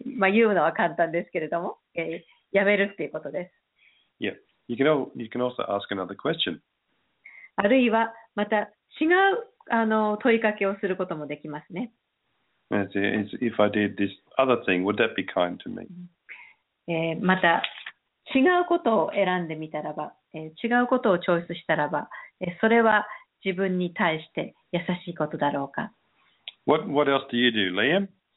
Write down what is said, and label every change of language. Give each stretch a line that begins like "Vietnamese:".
Japanese: 言うのは簡単ですけれども、やめるっていうことです。
English: Yeah, you can also ask another question.
Japanese: あるいは、また違う問いかけをすることもできますね。
English: If I did this other thing, would that be kind to me?
Japanese: また、違うことを選んでみたらば、違うことをチョイスしたらば、それは自分に対して優しいことだろうか。
English: What else do you do, Liam?